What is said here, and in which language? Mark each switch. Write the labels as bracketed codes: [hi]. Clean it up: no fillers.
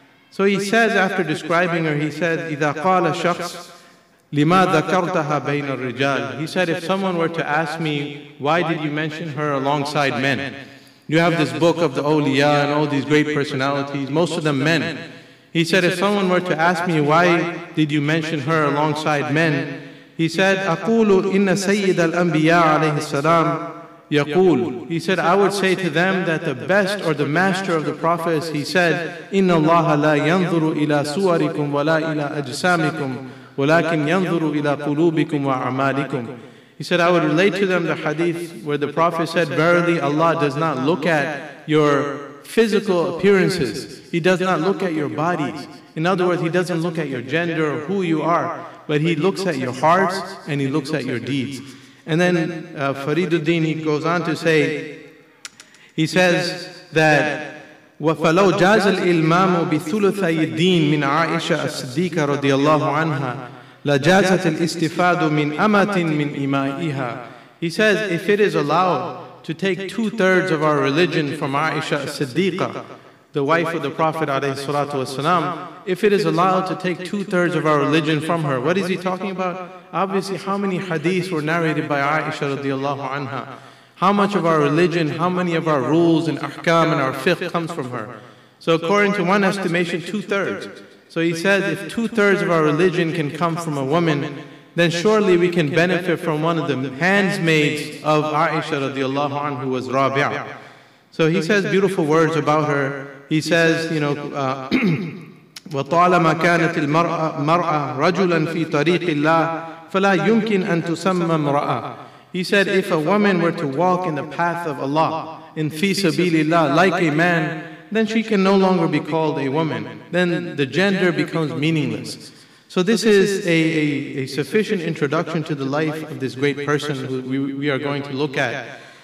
[en] So he says, after describing her, he said, [ar] إِذَا قَالَ شَخْصْ لِمَا ذَكَرْتَهَا بَيْنَ الرِّجَالِ. [en] He said, if someone were to ask me, why did you mention her alongside men? You have this book of the awliya and all these great personalities, most of them men. He said, if someone were to ask me, why did you mention her alongside men? He said, [ar] أَقُولُ إِنَّ سَيِّدَ الْأَنْبِيَاءَ عَلَيْهِ السَّلَامِ يقول. [en] He said, I would say to them that the best or the master of the prophets, he said, [ar] إِنَّ اللَّهَ لَا يَنْظُرُ إِلَىٰ سُوَرِكُمْ وَلَا إِلَىٰ أَجْسَامِكُمْ وَلَكِنْ يَنْظُرُ إِلَىٰ قُلُوبِكُمْ وَأَعْمَالِكُمْ. [en] He said, I would relate to them the hadith where the prophet said, verily Allah does not look at your physical appearances. He does not look at your bodies. In other words, he doesn't look at your gender or who you are, but he looks at your hearts and he looks at your deeds. And then Fariduddin, he goes on to say, he says that [ar] وَفَلَوْ جَازَ الْإِلْمَامُ بِثُلُثَيِ الدِّينِ مِنْ عَائِشَةَ أَصْدِيقَ رَضِيَ اللَّهُ عَنْهَا لَجَازَتِ الْإِسْتِفَادُ مِنْ أَمَةٍ مِنْ إِمَائِهَا. [en] He says, if it is allowed to take two-thirds of our religion from Aisha as-Siddiqa, the wife of the Prophet alayhi salatu wasalam, if it is allowed to take two-thirds of our religion from her, what is he talking about? Obviously, how many hadiths were narrated by Aisha radiallahu anha? How much of our religion, how many of our rules and ahkam and our fiqh comes from her? So according to one estimation, two-thirds. So he says, if two-thirds of our religion can come from a woman, then surely we can benefit from one of the handmaids of Aisha radiallahu anha, who was Rabi'ah. So he says beautiful words about her. He says, you know, [ar] وَطَالَمَا كَانَتِ الْمَرْأَةِ رَجُلًا فِي طَرِيقِ اللَّهِ فَلَا يُمْكِنْ أَن تُسَمَّ امْرَأَةً. [en] He said, if a woman were to walk in the path of Allah, in fi sabilillah, like a man, then she can no longer be called a woman. Then the gender becomes meaningless. So this is a sufficient introduction to the life of this great person who we are going to look at.